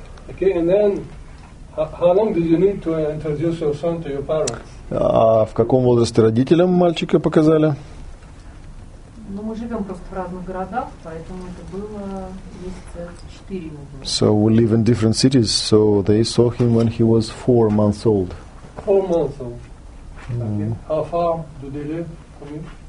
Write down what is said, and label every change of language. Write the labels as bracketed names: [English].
[English] Okay, and then, how long did you need to introduce your son to your parents? [Russian] А в каком возрасте родителям мальчика показали? Ну, мы живем просто в разных городах, поэтому это было месяца 4 ему было. [English] So we live in different cities, so they saw him when he was 4 months old. 4 months old. Okay. How far do they live from you?